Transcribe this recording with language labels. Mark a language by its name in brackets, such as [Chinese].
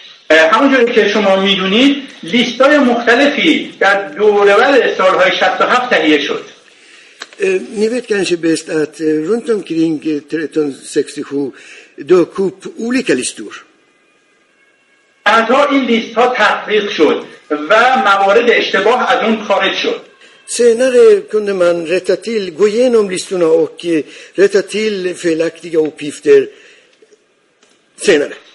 [Persian] همونجوری که شما میدونید لیستای مختلفی در دوره‌ور سال‌های 67 تهیه شد. [Swedish] Ni vet kanske bäst att runt omkring 1367 dök upp olika listor. [Persian] از این لیست‌ها تحقیق شد و موارد اشتباه از اون خارج شد. [Swedish] Senare kunde man rätta till, gå igenom listorna och rätta till felaktiga uppgifter senare.